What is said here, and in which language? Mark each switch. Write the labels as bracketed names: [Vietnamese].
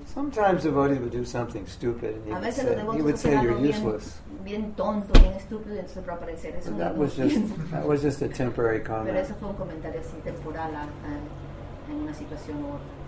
[English] Sometimes devotees would do something stupid, and he would say, "You're useless." [Spanish] Bien tonto, bien estúpido, y entonces Prabhupada decía, eres un [English] that was just that was just a temporary comment. [Spanish] Pero eso fue un comentario así temporal en una situación u otra.